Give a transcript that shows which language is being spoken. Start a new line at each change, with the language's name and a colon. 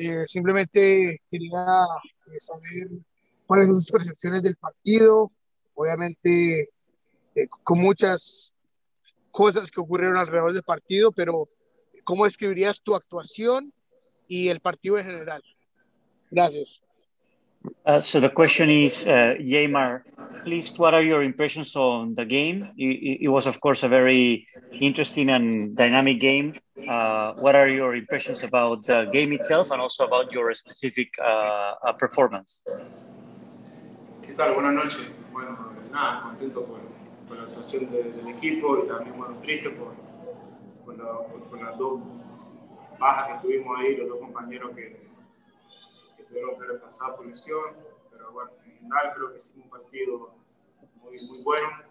Spanish: Simplemente quería saber cuáles son sus percepciones del partido. Obviamente, con muchas cosas que ocurrieron alrededor del partido, pero ¿cómo describirías tu actuación y el partido en general? Gracias.
English: So the question is, Yeimar, please, what are your impressions on the game? It was, of course, a very interesting and dynamic game. What are your impressions about the game itself and also about your specific performance?
Spanish: ¿Qué tal? Buenas noches. Bueno, nada, contento por la actuación del equipo y también, bueno, triste por las dos bajas que tuvimos ahí, los dos compañeros que tuvieron que pasar por lesión. Pero bueno, en general creo que hicimos un partido muy, muy bueno.